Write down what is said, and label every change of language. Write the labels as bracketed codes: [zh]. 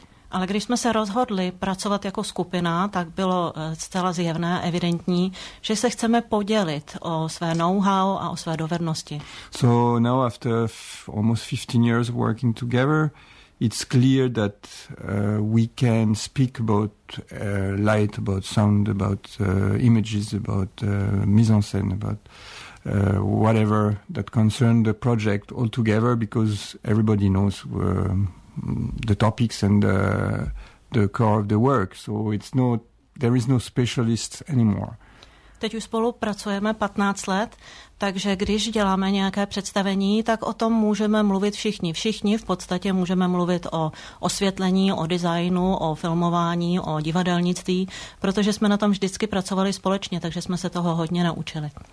[cs] Ale když jsme se rozhodli pracovat jako skupina, tak bylo zcela zjevné a evidentní, že se chceme podělit o své know-how a o své dovednosti. [en] So now after almost 15 years of working together, it's clear that we can speak about light, about sound, about images, about mise-en-scène, about whatever that concerned the project all together, because everybody knows the topics and the core of the work, so there is no specialist anymore. [cs] Teď už spolu pracujeme 15 let, takže když děláme nějaké představení, tak o tom můžeme mluvit všichni. Všichni v podstatě můžeme mluvit o osvětlení, o designu, o filmování, o divadelnictví, protože jsme na tom vždycky pracovali společně, takže jsme se toho hodně naučili.